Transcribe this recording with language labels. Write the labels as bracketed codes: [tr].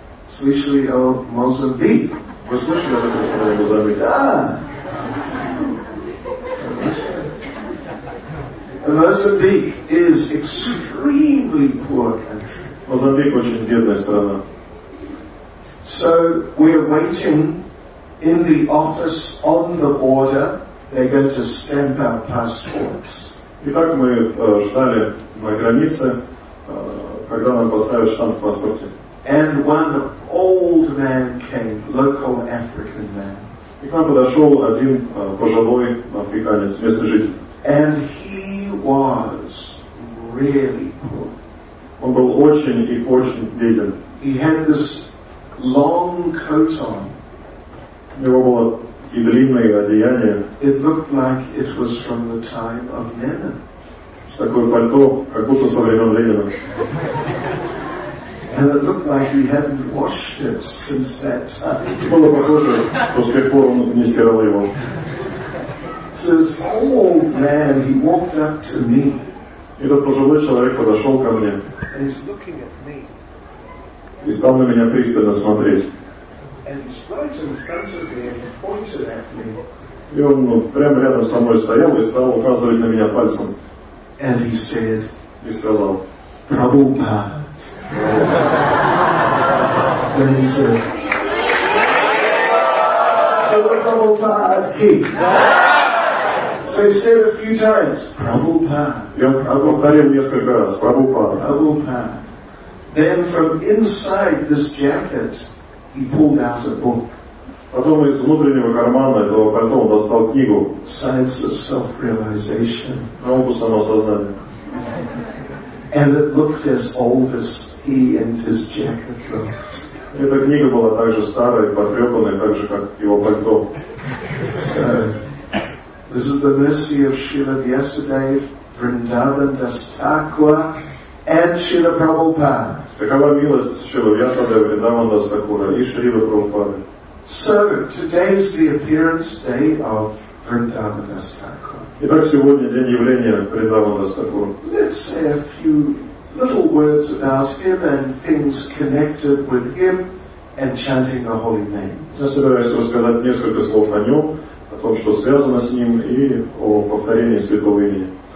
[ru] Слышали о Мозамбике? Вы слышали об этом слове Мозамбик? Да. [en] Mozambique is extremely poor country. [ru] Мозамбик очень бедная страна. [en] So we are waiting in the office on the border. They're going to stamp our passports. [ru] Итак, мы ждали на границе, когда нам поставят штамп в паспорте. [en] And one old man came, local African man. [ru] И к нам подошел один пожилой африканец, местный житель. [en] And he was really poor. [ru] Он был очень и очень беден. [en] He had this long coat on. [ru] У него было и длинное одеяние. [en] It looked like it was from the time of Lenin. [ru] Такое пальто, как будто со времен Ленина. [en] And it looked like he hadn't washed it since that time. [ru] Было похоже, что с тех пор он не стирал его. [en] So this old man, he walked up to me. [ru] Этот пожилой человек подошел ко мне. [en] And he's looking at me. [ru] И стал на меня пристально смотреть. [en] And he spoke in front of me and pointed at me. [ru] И он прямо рядом со мной стоял и стал указывать на меня пальцем. [en] And he said, [ru] и сказал, [en] Prabhupada. And he said, Prabhupada. So he said a few times, Prabhupada. [ru] И он повторил несколько раз, Prabhupada. [en] Prabhupada. Then from inside this jacket, he pulled out a book. [ru] Потом из внутреннего кармана этого пальто он достал книгу. [en] Science of Self-Realization. [ru] Науку самосознания. [en] And it looked as old as he and his jacket looked. [ru] Эта книга была так же старая и потрепанная, так же, как его пальто. [en] So, this is the mercy of Śrīla Vyasadeva, Vṛndāvana Das Thakura, and Śrīla Prabhupāda. [ru] Такова милость Шрила Вьясадева, Вриндавана Дас Такура и Шрила Прабхупады. [en] So, today is the appearance day of Vṛndāvana Das Thakura. [ru] Итак, сегодня день явления Вриндавана Дас Такура. [en] Let's say a few little words about him and things connected with him and chanting the holy name. [ru] Я собираюсь рассказать несколько слов о нем, о том, что связано с ним и о повторении святого имени.